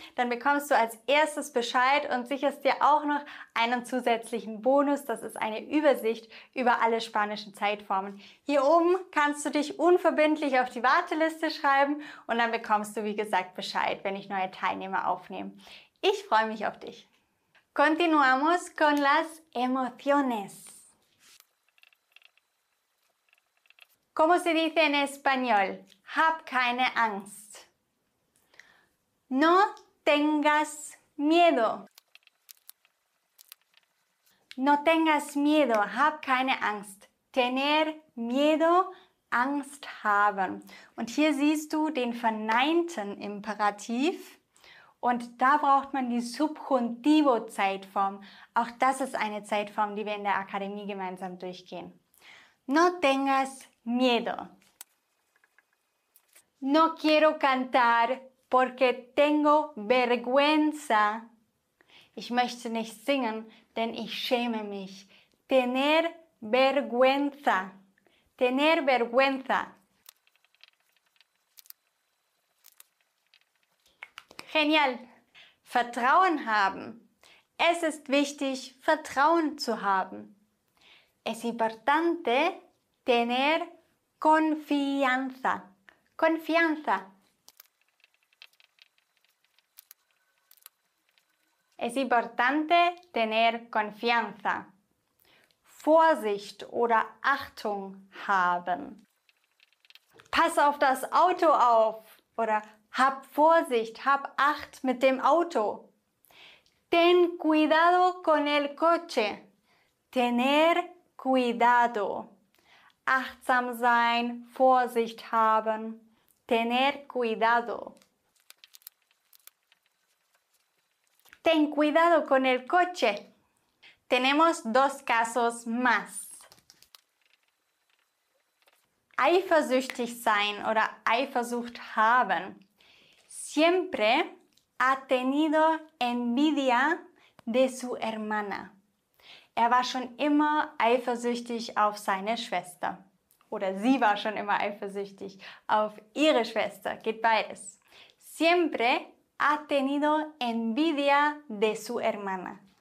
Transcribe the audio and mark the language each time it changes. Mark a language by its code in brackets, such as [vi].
[de] Dann bekommst du als erstes Bescheid und sicherst dir auch noch einen zusätzlichen Bonus. Das ist eine Übersicht über alle spanischen Zeitformen. Hier oben kannst du dich unverbindlich auf die Warteliste schreiben und dann bekommst du, wie gesagt, Bescheid, wenn ich neue Teilnehmer aufnehme. Ich freue mich auf dich. [es] Continuamos con las emociones. ¿Cómo se dice en español? [de] Hab keine Angst. [es] No tengas miedo. No tengas miedo. [de] Hab keine Angst. [es] Tener miedo. [de] Angst haben. Und hier siehst du den verneinten Imperativ und da braucht man die Subjuntivo-Zeitform. Auch das ist eine Zeitform, die wir in der Akademie gemeinsam durchgehen. [es] No tengas miedo. No quiero cantar porque tengo vergüenza. [de] Ich möchte nicht singen, denn ich schäme mich. [es] Tener vergüenza. Tener vergüenza. [de] Genial. Vertrauen haben. Es ist wichtig, Vertrauen zu haben. [es] Es importante tener confianza. Confianza. Es importante tener confianza. [de] Vorsicht oder Achtung haben. Pass auf das Auto auf. Oder hab Vorsicht, hab Acht mit dem Auto. [es] Ten cuidado con el coche. Tener cuidado. [de] Achtsam sein, Vorsicht haben. [es] Tener cuidado. Ten cuidado con el coche. Tenemos dos casos más. [de] Eifersüchtig sein oder Eifersucht haben. [es] Siempre ha tenido envidia de su hermana. [de] Er war schon immer eifersüchtig auf seine Schwester oder sie war schon immer eifersüchtig auf ihre Schwester. Geht beides. [es] Siempre ha tenido envidia de su hermana.